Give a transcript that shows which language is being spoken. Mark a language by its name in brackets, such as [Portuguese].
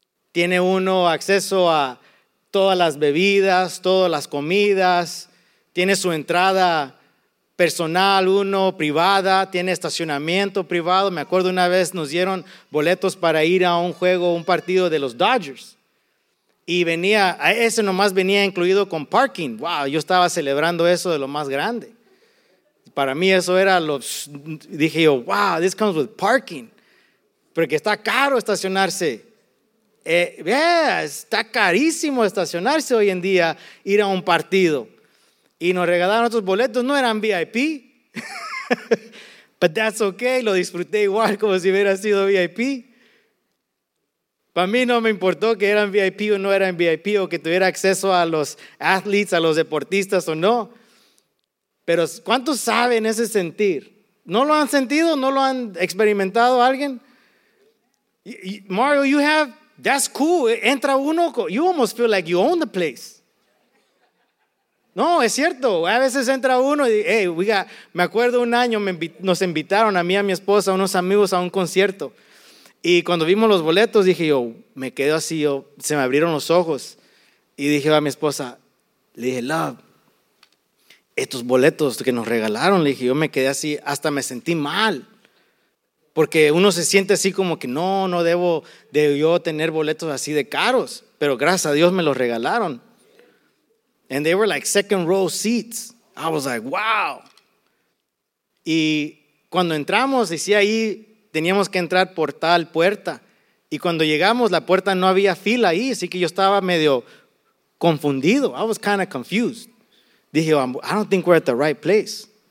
[Spanish] Tiene uno acceso a todas las bebidas, todas las comidas, tiene su entrada personal, uno, privada, tiene estacionamiento privado. Me acuerdo una vez nos dieron boletos para ir a un juego, un partido de los Dodgers. Y venía, ese nomás venía incluido con parking. Wow, yo estaba celebrando eso de lo más grande. Para mí eso era dije yo, wow, [English] this comes with parking. [Spanish] Porque está caro estacionarse. Está carísimo estacionarse hoy en día, ir a un partido. Y nos regalaron otros boletos, no eran VIP. [English] But that's okay, [Spanish] lo disfruté igual como si hubiera sido VIP. Para mí no me importó que eran VIP o no eran VIP, o que tuviera acceso a los athletes, a los deportistas o no. Pero ¿cuántos saben ese sentir? ¿No lo han sentido? ¿No lo han experimentado alguien? [English] Mario, you have, that's cool, [Spanish] entra uno, [English] you almost feel like you own the place. [Spanish] No, es cierto, a veces entra uno y dice, hey, me acuerdo un año nos invitaron a mí, a mi esposa, a unos amigos a un concierto. Y cuando vimos los boletos, dije yo, me quedo así, yo, se me abrieron los ojos. Y dije a mi esposa, le dije, love, estos boletos que nos regalaron, le dije, yo me quedé así, hasta me sentí mal. Porque uno se siente así como que no debo de yo tener boletos así de caros. Pero gracias a Dios me los regalaron. [English] And they were like second row seats. I was like, wow. [Spanish] Y cuando entramos, decía ahí, teníamos que entrar por tal puerta. Y cuando llegamos, la puerta no había fila ahí, así que yo estaba medio confundido. [English] I was kind of confused. Dije, I don't think we're at the right place.